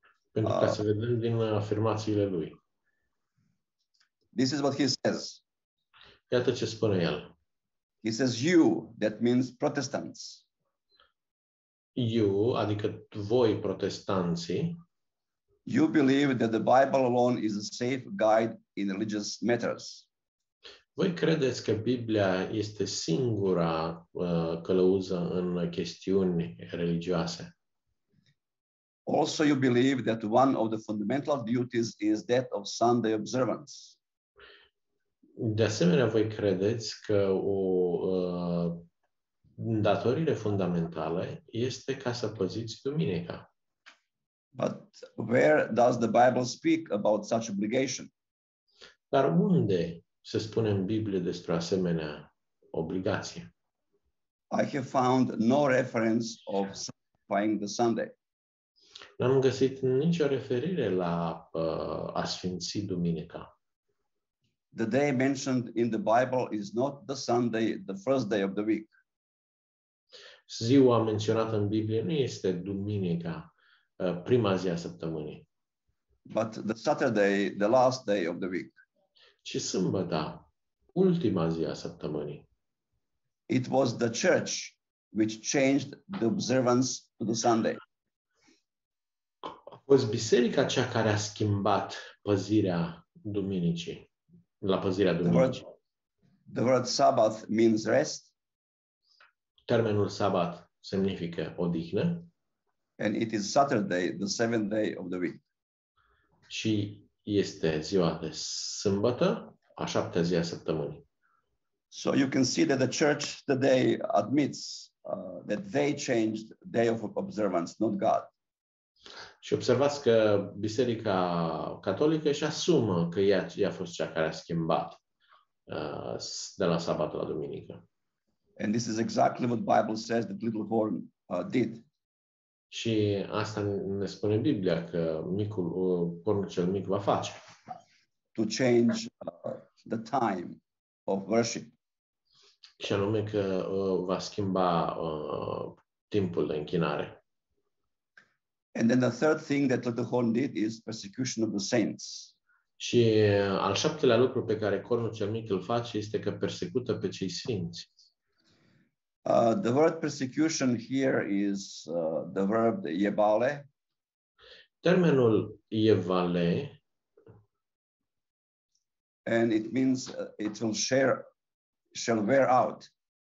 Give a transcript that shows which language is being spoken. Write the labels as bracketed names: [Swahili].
[Romanian] Pentru ca să vedem din afirmațiile lui. [English] This is what he says. [Romanian] Iată ce spune el. [English] He says you, that means Protestants. You, [Romanian] adică voi protestanții, [English] you believe that the Bible alone is a safe guide in religious matters. [Romanian] Voi credeți că Biblia este singura călăuză în chestiuni religioase. [English] Also you believe that one of the fundamental duties is that of Sunday observance. [Romanian] De asemenea, voi credeți că o datorire fundamentală este ca să păziți duminica. [English] But where does the Bible speak about such obligation? [Romanian] Dar unde se spune în Biblie despre asemenea obligație? [English] I have found no reference of sanctifying the Sunday. [Romanian] N-am găsit nicio referire la a sfinți duminica. [English] The day mentioned in the Bible is not the Sunday, the first day of the week. [Romanian] Ziua menționată în Biblie nu este duminica, prima zi a săptămânii. [English] But the Saturday, the last day of the week. [Romanian] Ci sâmbăta, ultima zi a săptămânii. [English] It was the church which changed the observance to the Sunday. [Romanian] A fost biserica cea care a schimbat păzirea duminicii. La păzirea duminicii. [English] The word Sabbath means rest. [Romanian] Termenul Sabbat semnifică odihnă. [English] And it is Saturday, the seventh day of the week. [Romanian] Și este ziua de sâmbătă, a șaptea zi a săptămânii. [English] So you can see that the church today admits that they changed day of observance, not God. [Romanian] Și observați că Biserica Catolică își asumă că ea a fost cea care a schimbat de la sabat la duminică. [English] And this is exactly what Bible says that little horn did. [Romanian] Și asta ne spune Biblia că micul cornul cel mic va face. [English] To change the time of worship. [Romanian] Și anume că va schimba timpul de închinare. [English] And then the third thing that the horn did is persecution of the saints. [Romanian] Și al șaptelea lucru pe care cornul cel mic îl face este că persecută pe cei sfinți. [English] The word persecution here is the verb yebale. [Romanian] Termenul yebale. [English] And it means it will shall wear out.